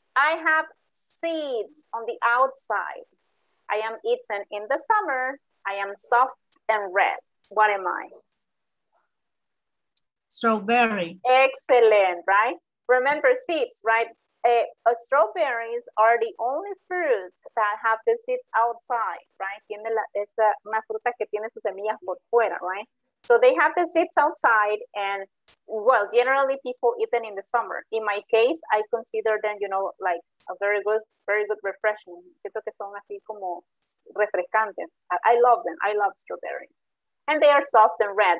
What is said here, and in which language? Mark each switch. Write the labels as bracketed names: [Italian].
[English] I have seeds on the outside. I am eaten in the summer. I am soft and red. What am I? Strawberry. Excellent, right? Remember seeds, right? Strawberries are the only fruits that have the seeds outside, right? [Spanish] Tiene la, es una fruta que tiene sus semillas por fuera, right? [English] So they have the seeds outside, and well, generally people eat them in the summer. In my case, I consider them, you know, like a very good refreshment. [Spanish] Siento que son así como refrescantes. [English] I love them. I love strawberries. And they are soft and red.